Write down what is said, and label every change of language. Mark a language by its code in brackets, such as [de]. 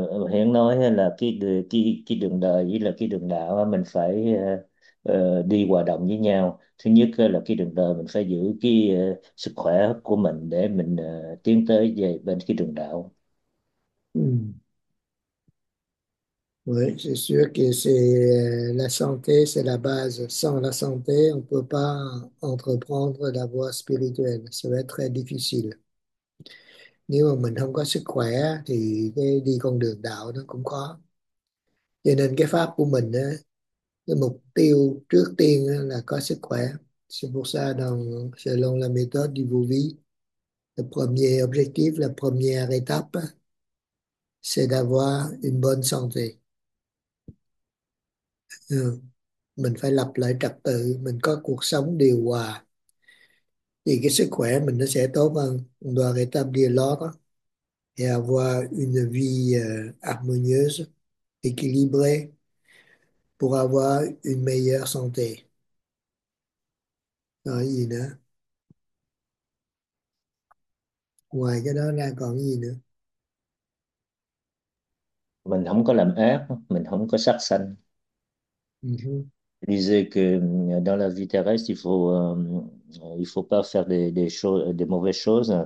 [vi] Hiện nói là cái đường đời là cái đường đạo, mình phải đi hòa đồng với nhau. Thứ nhất là cái đường đời mình phải giữ cái sức khỏe của mình để mình tiến tới về bên cái đường đạo. [fr] Oui, c'est sûr que c'est la santé, c'est la base. Sans la santé, on ne peut pas entreprendre la voie spirituelle. Ça va être très difficile. [vi] Nếu mà mình không có sức khỏe thì cái đi con đường đạo nó cũng khó. Cho nên cái pháp của mình á, cái mục tiêu trước tiên á, là có sức khỏe. [fr] C'est pour ça dans, selon la méthode du Vô Vi, le premier objectif, la première étape, c'est d'avoir une bonne santé. [vi] Mình phải lập lại trật tự, mình có cuộc sống điều hòa thì cái sức khỏe mình nó sẽ tốt hơn. [fr] On doit rétablir l'ordre et avoir une vie harmonieuse, équilibrée, pour avoir une meilleure santé. [vi] Rồi gì nữa? Ngoài cái đó ra còn gì nữa? Mình không có làm ác, mình không có sát sanh. [fr] Disait que dans la vie terrestre, il faut pas faire des choses, des mauvaises choses.